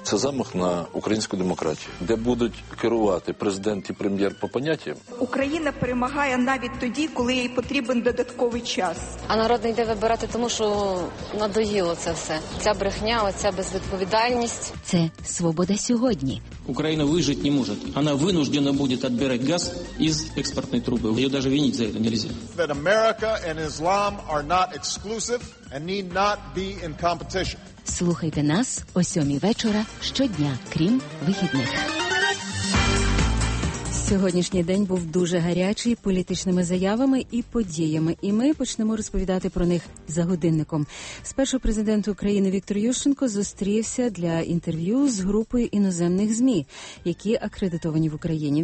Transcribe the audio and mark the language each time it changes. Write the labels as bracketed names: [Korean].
[Ukrainian] Це замах на українську демократію, де будуть керувати президент і прем'єр по поняттям. Україна перемагає навіть тоді, коли їй потрібен додатковий час. А народ не йде вибирати, тому що надоїло це все. Ця брехня, оця безвідповідальність. Це «Свобода сьогодні». [Russian] Украина выжить не может. Она вынуждена будет отбирать газ из экспортной трубы. Ее даже винить за это нельзя. [English] America and Islam are not exclusive and need not be in competition. [Ukrainian] Слухайте нас о 7:00 вечора щодня, крім вихідних. Сьогоднішній день був дуже гарячий політичними заявами і подіями, і ми почнемо розповідати про них за годинником. Спершу президент України Віктор Ющенко зустрівся для інтерв'ю з групою іноземних ЗМІ, які акредитовані в Україні.